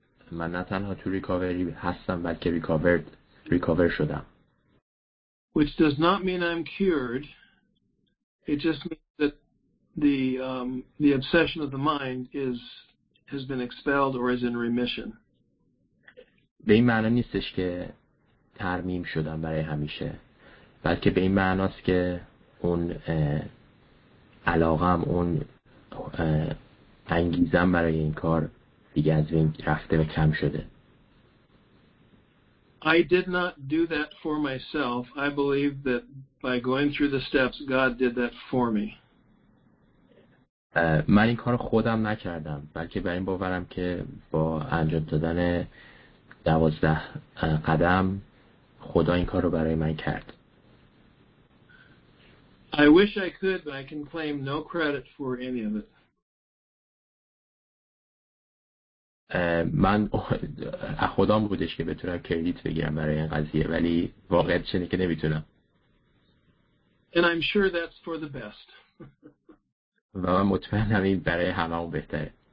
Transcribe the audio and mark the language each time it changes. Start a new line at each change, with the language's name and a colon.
Persian: من نه تنها تو ریکاوری هستم، بلکه ریکاور شدم.
English: Which does not mean I'm cured. It just means that the obsession of the mind has been expelled or is in remission.
Persian: به این معنی نیستش که ترمیم شدم برای همیشه، بلکه به این معناست که اون علاقم، اون انگیزم برای این کار دیگه از بین رفته و کم شده.
English: I did not do that for myself. I believe that by going through the steps, God did that for me.
Persian: من این کار خودم نکردم، بلکه بر این باورم که با انجام دادن 12 قدم خدا این کار رو برای من کرد.
English: I wish I could, but I can claim no credit for any of it.
Persian: من خودم بودش که بتونم کردیت بگیرم برای این قضیه، ولی واقعیت چنه که نمیتونم.
English: And I'm sure that's for the best.
Persian: و من مطمئنم این برای همه هم بهتره.